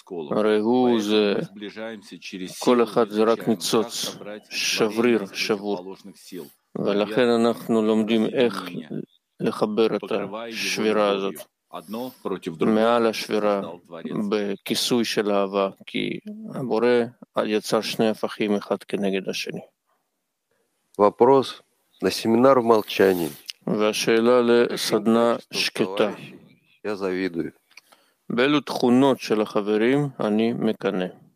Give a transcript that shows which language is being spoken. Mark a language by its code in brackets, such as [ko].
[he] הרי הוא זה, כל אחד זה רק ניצוץ, שבריר, שבור. ולכן אנחנו לומדים איך לחבר את השבירה הזאת. מעל השבירה בכיסוי של אהבה, כי הבורא יצר שני הפכים אחד כנגד השני. [ru] Вопрос на семинар в молчании. [he] והשאלה לסדנה שקטה. [ru] Я завидую. [he] באילו תכונות של החברים אני מקנה.